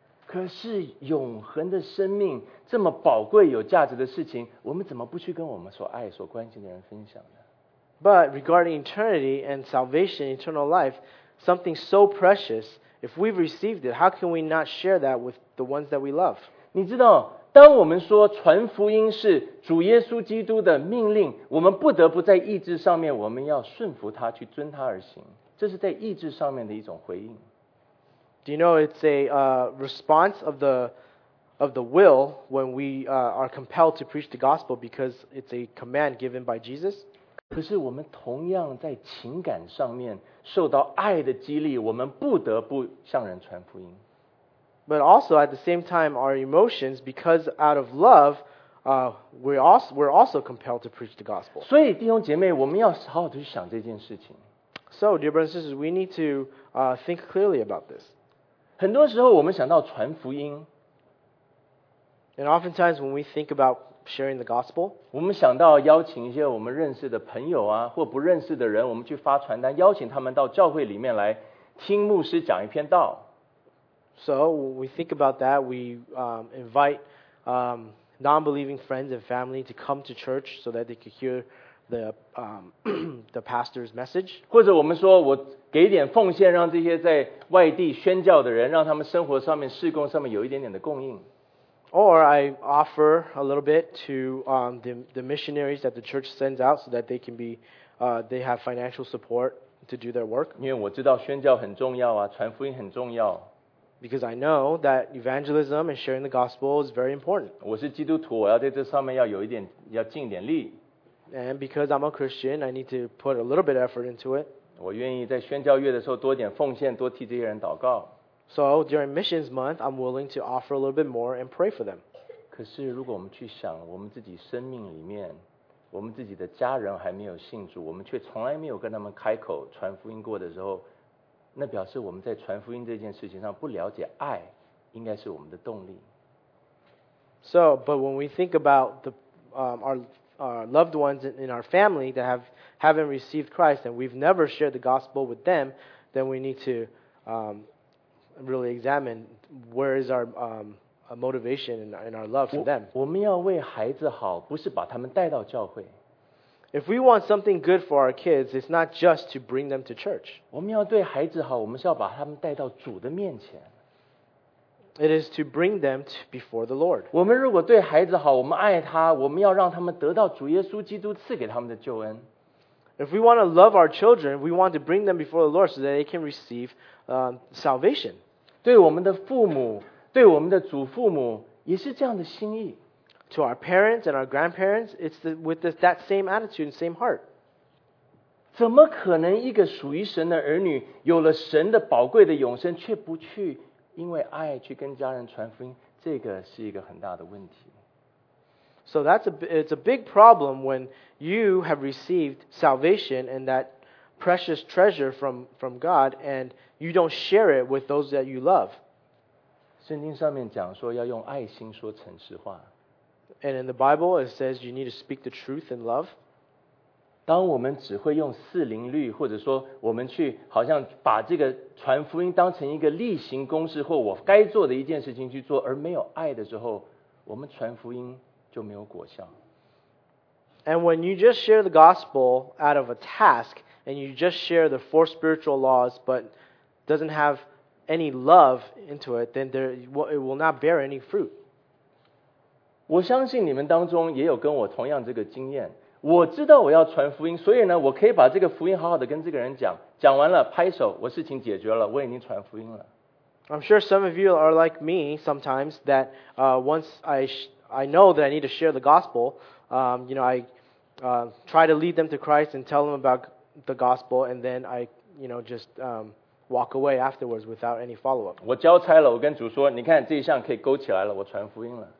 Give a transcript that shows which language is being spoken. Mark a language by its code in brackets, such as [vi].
[zh] 可是永恒的生命这么宝贵有价值的事情，我们怎么不去跟我们所爱所关心的人分享呢？ [en] But regarding eternity and salvation, eternal life, something so precious, if we've received it, how can we not share that with the ones that we love? [zh] 你知道，当我们说传福音是主耶稣基督的命令，我们不得不在意志上面，我们要顺服他，去遵他而行。这是在意志上面的一种回应。 [en] Do you know it's a response of the will when we are compelled to preach the gospel because it's a command given by Jesus? [zh] 可是我们同样在情感上面受到爱的激励，我们不得不向人传福音。 [en] But also at the same time, our emotions, because out of love, we're also compelled to preach the gospel. [zh] 所以弟兄姐妹，我们要好好地去想这件事情。 [en] So, dear brothers and sisters, we need to think clearly about this. [zh] 很多时候我们想到传福音。 [en] And oftentimes when we think about sharing the gospel, [zh] 我们想到邀请一些我们认识的朋友啊，或不认识的人，我们去发传单，邀请他们到教会里面来听牧师讲一篇道。 [en] So when we think about that, we invite non-believing friends and family to come to church so that they could hear the pastor's message. [zh] 或者我们说我给点奉献，让这些在外地宣教的人，让他们生活上面、事工上面有一点点的供应。 [en] Or I offer a little bit to the missionaries that the church sends out so that they can be they have financial support to do their work. [zh] 因为我知道宣教很重要啊，传福音很重要。 [en] Because I know that evangelism and sharing the gospel is very important. [zh] 我是基督徒，我要在这上面要有一点，要尽一点力。 [en] And because I'm a Christian, I need to put a little bit of effort into it. [zh] 我愿意在宣教月的时候多点奉献，多替这些人祷告。 [en] So during missions month, I'm willing to offer a little bit more and pray for them. [zh] 可是如果我们去想，我们自己生命里面，我们自己的家人还没有信主，我们却从来没有跟他们开口传福音过的时候，那表示我们在传福音这件事情上不了解爱，应该是我们的动力。 [en] So, but when we think about the our loved ones in our family that haven't received Christ and we've never shared the gospel with them, then we need to really examine where is our motivation and our love for them. [zh] 我们要为孩子好，不是把他们带到教会。 [en] If we want something good for our kids, it's not just to bring them to church. [zh] 我们要对孩子好，我们是要把他们带到主的面前。 [en] It is to bring them to before the Lord. [zh] 我们如果对孩子好，我们爱他，我们要让他们得到主耶稣基督赐给他们的救恩。 [en] If we want to love our children, we want to bring them before the Lord so that they can receive salvation. [zh] 对我们的父母，对我们的祖父母，也是这样的心意。 [en] To our parents and our grandparents, it's with that same attitude, same heart. [zh] 怎么可能一个属于神的儿女，有了神的宝贵的永生，却不去因为爱去跟家人传福音？这个是一个很大的问题。 [en] So it's a big problem when you have received salvation and that precious treasure from God, and you don't share it with those that you love. [zh] 圣经上面讲说要用爱心说诚实话。 [en] And in the Bible, it says you need to speak the truth in love. [zh] 当我们只会用四灵律，或者说我们去好像把这个传福音当成一个例行公事或我该做的一件事情去做，而没有爱的时候，我们传福音就没有果效。 [en] And when you just share the gospel out of a task, and you just share the four spiritual laws, but doesn't have any love into it, then it will not bear any fruit. [zh] 我相信你们当中也有跟我同样这个经验。我知道我要传福音，所以呢，我可以把这个福音好好的跟这个人讲。讲完了，拍手，我事情解决了，我已经传福音了。 [en] I'm sure some of you are like me sometimes that once I know that I need to share the gospel, you know, I try to lead them to Christ and tell them about the gospel, and then I, you know, just walk away afterwards without any follow-up. [zh] 我交差了，我跟主说，你看这一项可以勾起来了，我传福音了。